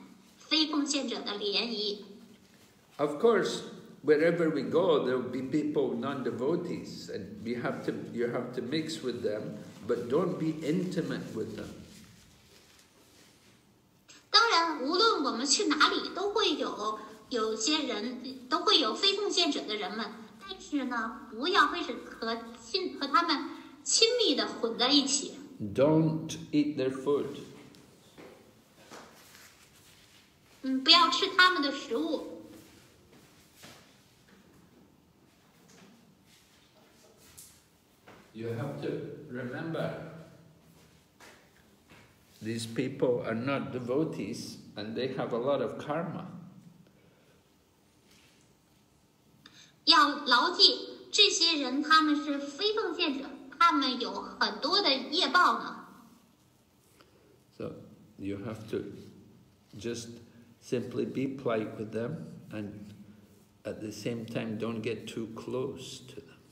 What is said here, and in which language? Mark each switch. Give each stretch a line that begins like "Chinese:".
Chinese: 和非奉献者联谊是非常危险的处境，应当小心避免非奉献者的联谊。
English: Of course, wherever we go, there will be people non-devotees, and you have to mix with them, but don't be intimate with them.
Chinese: 当然，无论我们去哪里，都会有非奉献者的人们，但是呢，不要和他们。
English: Don't eat their food.
Chinese: 不要吃他们的食物。
English: You have to remember, these people are not devotees and they have a lot of karma.
Chinese: 要牢记，这些人他们是非奉献者。
English: So you have to just simply be polite with them and at the same time don't get too close to them.